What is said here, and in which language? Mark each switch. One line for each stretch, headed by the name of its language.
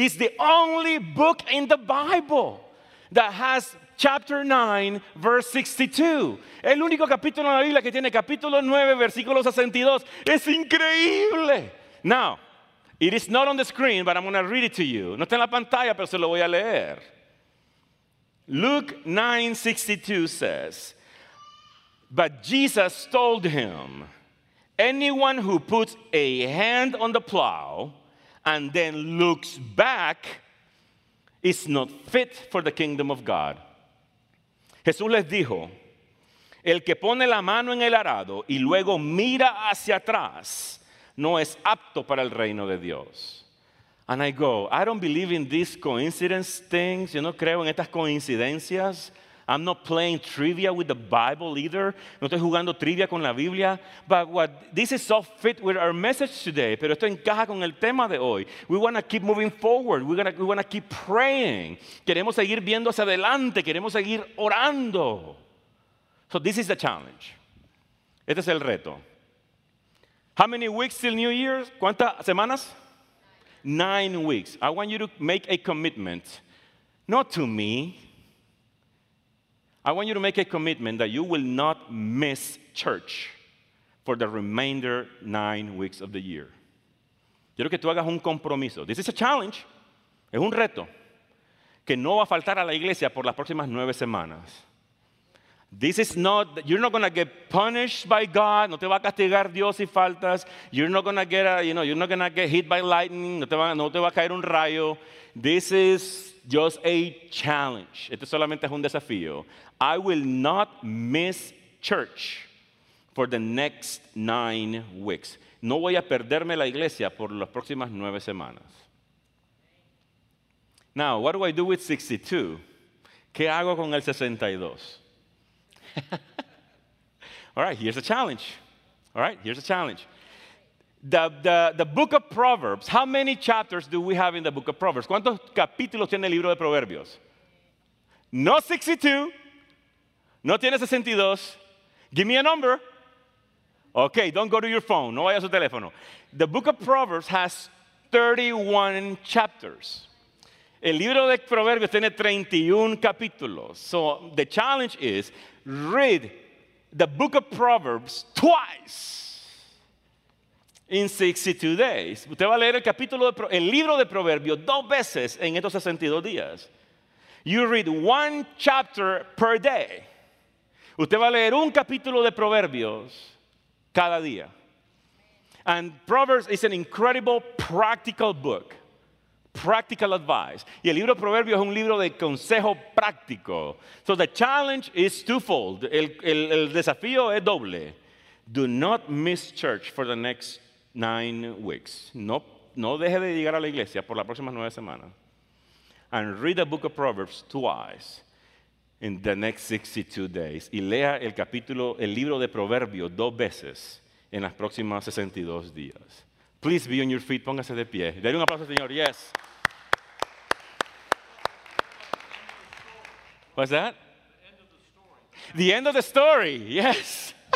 English: It's the only book in the Bible that has chapter 9, verse 62.
Spanish: El único capítulo en la Biblia que tiene capítulo 9, versículo 62. Es increíble.
English: Now, it is not on the screen, but I'm going to read it to you.
Spanish: No está en la pantalla, pero se lo voy a leer.
English: Luke 9:62 says, but Jesus told him, anyone who puts a hand on the plow and then looks back is not fit for the kingdom of God.
Spanish: Jesús les dijo, el que pone la mano en el arado y luego mira hacia atrás no es apto para el reino de Dios.
English: And I go, I don't believe in these coincidence things.
Spanish: Yo no creo en estas coincidencias.
English: I'm not playing trivia with the Bible either.
Spanish: No estoy jugando trivia con la Biblia.
English: But what this is so fit with our message today.
Spanish: Pero esto encaja con el tema de hoy.
English: We want to keep moving forward. We want to keep praying.
Spanish: Queremos seguir viendo hacia adelante. Queremos seguir orando.
English: So this is the challenge.
Spanish: Este es el reto.
English: How many weeks till New Year's?
Spanish: ¿Cuántas semanas?
English: 9 weeks. I want you to make a commitment. Not to me. I want you to make a commitment that you will not miss church for the remainder 9 weeks of the year.
Spanish: Quiero que tú hagas un compromiso.
English: This is a challenge.
Spanish: Es un reto. Que no va a faltar a la iglesia por las próximas 9 semanas.
English: This is not, you're not going to get punished by God.
Spanish: No te va a castigar Dios si faltas.
English: You're not going to get, you're not going to get hit by lightning.
Spanish: No te va a caer un rayo.
English: This is just a challenge.
Spanish: Este solamente es un desafío.
English: I will not miss church for the next 9 weeks.
Spanish: No voy a perderme la iglesia por las próximas 9 semanas.
English: Now, what do I do with 62?
Spanish: ¿Qué hago con el 62?
English: All right, here's a challenge. All right, here's a challenge. The book of Proverbs, how many chapters do we have in the book of Proverbs?
Spanish: ¿Cuántos capítulos tiene el libro de Proverbios? No 62. No tiene 62.
English: Give me a number. Okay, don't go to your phone.
Spanish: No vaya a su teléfono.
English: The book of Proverbs has 31 chapters.
Spanish: El libro de Proverbios tiene 31 capítulos.
English: So the challenge is read the book of Proverbs twice in 62 days.
Spanish: Usted va a leer el libro de Proverbios dos veces en estos 62 días.
English: You read one chapter per day.
Spanish: Usted va a leer un capítulo de Proverbios cada día.
English: And Proverbs is an incredible practical book. Practical advice.
Spanish: Y el libro de Proverbios es un libro de consejo práctico.
English: So the challenge is twofold.
Spanish: El desafío es doble.
English: Do not miss church for the next 9 weeks.
Spanish: No deje de llegar a la iglesia por las próximas 9 semanas.
English: And read the book of Proverbs twice in the next 62 days.
Spanish: Y lea el libro de Proverbios 2 veces en las próximas 62 días.
English: Please be on your feet.
Spanish: Póngase de pie. Dale un aplauso al Señor. Yes.
English: What's that? The end of the story. The end of the story. Yes.